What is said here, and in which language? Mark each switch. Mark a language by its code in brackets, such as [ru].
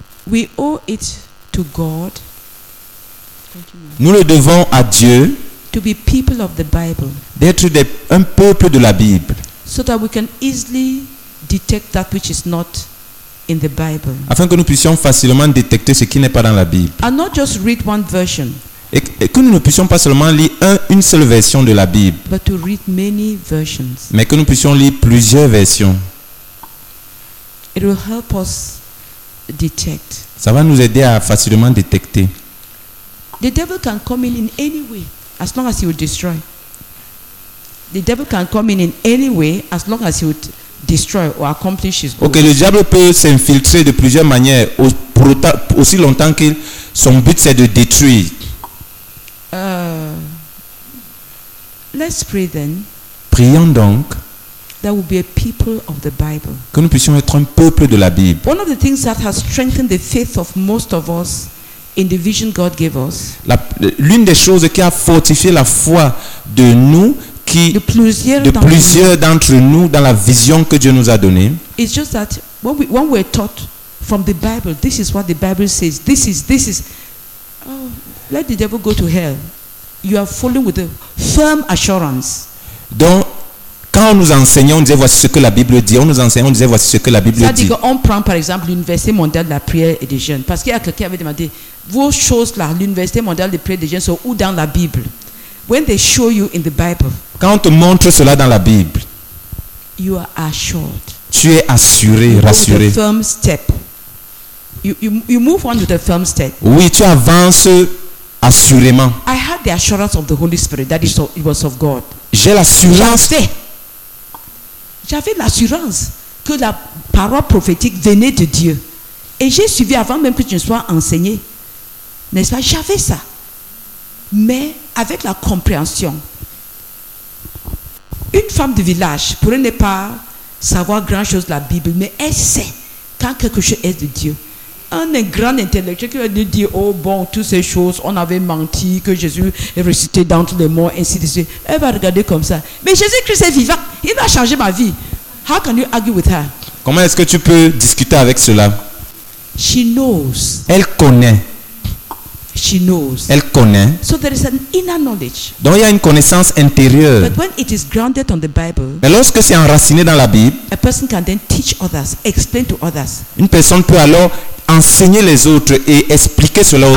[en] We owe it to God. [fr] Nous le devons à Dieu. [en] To be people of the Bible. [fr] D'être un peuple de la Bible. [en] So that we can easily detect that which is not in the Bible. [fr] Afin que nous puissions facilement détecter ce qui n'est pas dans la Bible. [en] And not just read one version. [fr] Et que nous ne puissions pas seulement lire une seule version de la Bible. [en] But to read many versions. [fr] Mais que nous puissions lire plusieurs versions. [en] It will help us. Detect. [fr] Ça va nous aider à facilement détecter. [en] The devil can come in any way as long as he will destroy. The devil can come in any way as long as he will destroy or accomplish his goal. [fr] Okay, le diable peut s'infiltrer de plusieurs manières aussi longtemps que son but c'est de détruire. [en] Let's pray then. [fr] Prions donc. [en] That will be a people of the Bible. [fr] Que nous puissions être un peuple de la Bible. [en] One of the things that has strengthened the faith of most of us in the vision God gave us. [fr] L'une des choses qui a fortifié la foi de nous, qui de plusieurs d'entre nous dans la vision que Dieu nous a donnée. [en] It's just that when we're taught from the Bible, this is what the Bible says. This is. Oh, let the devil go to hell. You are following with a firm assurance. [fr] Donc quand nous enseignons, on disait voici ce que la Bible dit. C'est-à-dire qu'on prend par exemple l'Université mondiale de la prière et des jeunes. Parce qu'il y a quelqu'un qui avait demandé vos choses là, l'Université mondiale de la prière et des jeunes sont où dans la Bible? [en] When they show you in the Bible, [fr] quand on te montre cela dans la Bible, [en] you are assured. [fr] Tu es assuré, rassuré. [en] With a firm step. You move on with a firm step. [fr] Oui, tu avances assurément. [en] I had the assurance of the Holy Spirit that it was of God. [fr] J'ai l'assurance. J'avais l'assurance que la parole prophétique venait de Dieu. Et j'ai suivi avant même que je ne sois enseigné. N'est-ce pas? J'avais ça. Mais avec la compréhension, une femme du village pourrait ne pas savoir grand-chose de la Bible, mais elle sait quand quelque chose est de Dieu. Un grand intellectuel qui va nous dire, oh bon, toutes ces choses, on avait menti, que Jésus est ressuscité d'entre les morts, ainsi de suite. Elle va regarder comme ça. Mais Jésus-Christ est vivant. Il a changé ma vie. [en] How can you argue with her? [fr] Comment est-ce que tu peux discuter avec cela? [en] She knows. [fr] Elle connaît. [en] She knows. [fr] Elle connaît. [en] So there is an inner knowledge. [fr] Donc il y a une connaissance intérieure. [en] But when it is grounded on the Bible, [fr] mais lorsque c'est enraciné dans la Bible, [en] a person can then teach others, explain to others. [fr] Une personne peut alors enseigner les autres et expliquer cela aux